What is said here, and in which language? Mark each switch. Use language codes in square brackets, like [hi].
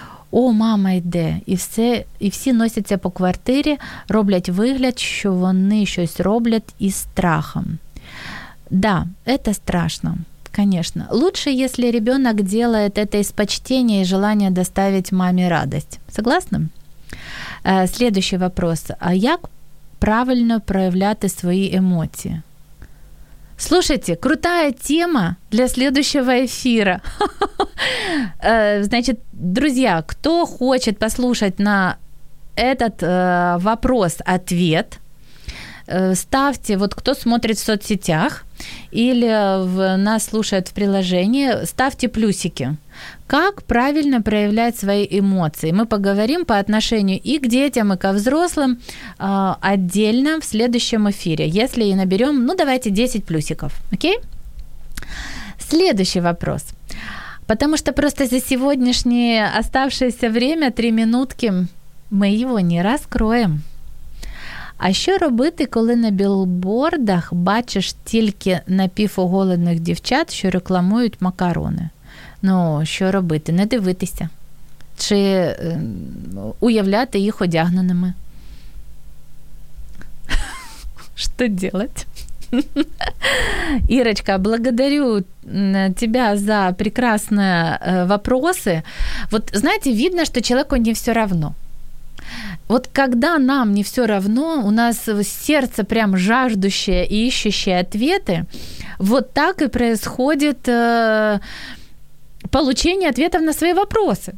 [uk] О, мама йде, і всі носяться по квартирі, роблять вигляд, що вони щось роблять із страхом». [ru] Да, это страшно, конечно. Лучше, если ребенок делает это из почтения и желания доставить маме радость. Согласны? Следующий вопрос. [uk] А як правильно проявляти свої емоції? [ru] Слушайте, крутая тема для следующего эфира. Значит, друзья, кто хочет послушать на этот вопрос-ответ, ставьте, вот кто смотрит в соцсетях или нас слушает в приложении, ставьте плюсики. Как правильно проявлять свои эмоции? Мы поговорим по отношению и к детям, и ко взрослым отдельно в следующем эфире. Если и наберем, ну давайте 10 плюсиков, окей? Следующий вопрос. Потому что просто за сегодняшнее оставшееся время, 3 минутки, мы его не раскроем. [uk] А що робити, коли на білбордах бачиш тільки напівоголених дівчат, що рекламують макарони? Ну, що робити? Не дивитися. Чи уявляти їх одягненими? Що делать? [ru] Ирочка, благодарю тебя за прекрасные вопросы. Вот, знаете, видно, что человеку не все равно. Вот когда нам не все равно, у нас сердце прям жаждущее и ищущее ответы, вот так и происходит получение ответов на свои вопросы.